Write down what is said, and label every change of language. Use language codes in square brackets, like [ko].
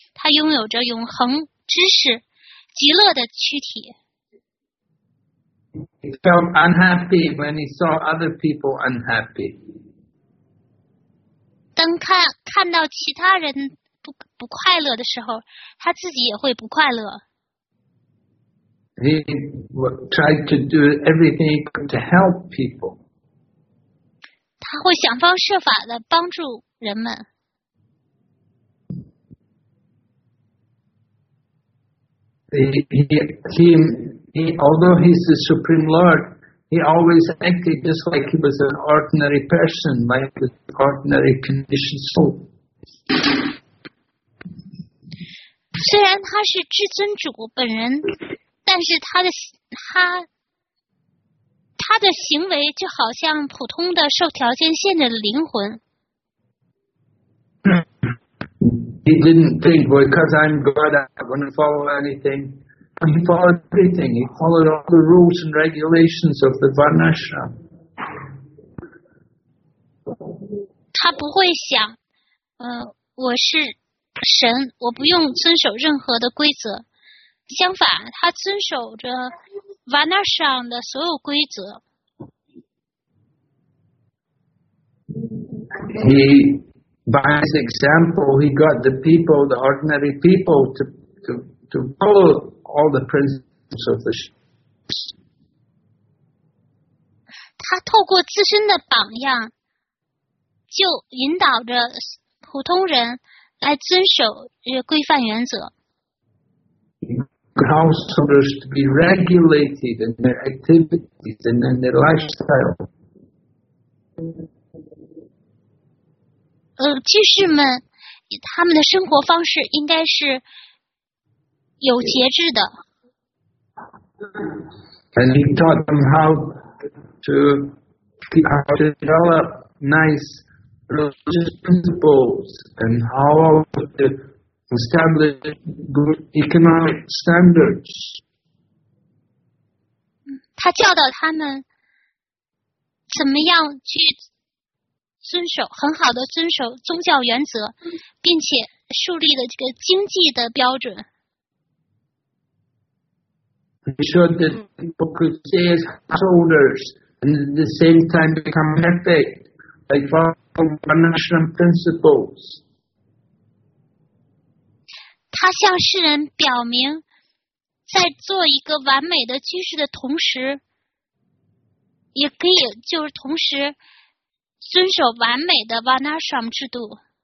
[zh] 他拥有着永恒知识、极乐的躯体。 [en] He felt unhappy when he saw other people unhappy. [zh] 当看到其他人不快乐的时候，他自己也会不快乐。 [en] He tried to do everything to help people. [zh] 他会想方设法的帮助人们。 [en] He, although he's the Supreme Lord, he always acted just like he was an ordinary person, like an ordinary conditioned soul. [zh] 虽然他是至尊主本人，但是他的行为就好像普通的受条件限制的灵魂。 [en] He didn't think, because I'm God, I'm going to follow anything. He followed everything. He followed all the rules and regulations of the Varnashram. [zh] 他不会想，我是神，我不用遵守任何的规则。相反，他遵守着 Varnashram 的所有规则。 [en] He, by his example, he got the people, the ordinary people, to follow. All the principles of the Shri. [zh] 他透过自身的榜样，就引导着普通人来遵守规范原则。 [en] Householders to be regulated in their activities and in their lifestyle. [zh] 居士们，他们的生活方式应该是。有节制的。 [en] And he taught them how to develop nice religious principles and how to establish good economic standards. [zh] 他教导他们怎么样去遵守很好的遵守宗教原则，并且树立了这个经济的标准。 [en] He showed that people could stay as householders and at the same time become perfect, like following Varnashram principles. [zh] 他向世人表明，在做一个完美的居士的同时，也可以就是同时遵守完美的 Varnashram 制度。